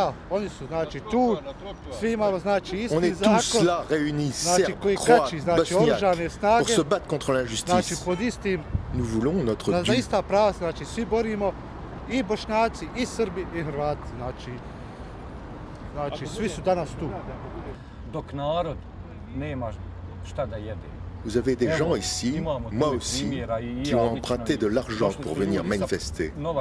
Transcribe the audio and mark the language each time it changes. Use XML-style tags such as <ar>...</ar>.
<fr>On est tous là réunis, Serbes, Croates, Bosniaques, pour se battre contre l'injustice. Nous voulons notre Dieu.</fr> <sr>I Bošnjaci, i Srbi, i Hrvati, znači svi su danas tu. Dok narod nema šta da jede.</sr> <fr>Vous avez des gens ici, moi aussi, qui ont emprunté de l'argent pour venir manifester.</fr>